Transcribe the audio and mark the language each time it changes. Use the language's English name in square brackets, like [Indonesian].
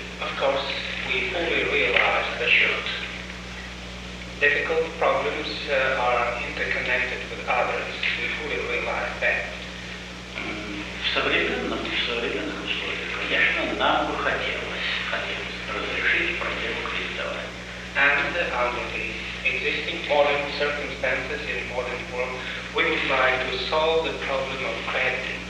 [English] Of course, we fully realize that should difficult problems are interconnected with others. We fully realize that. [Russian] В современном, условиях, конечно, нам бы хотелось разрешить проблему кредитования. [English] And under the existing modern circumstances in modern world, we would like to solve the problem of credit.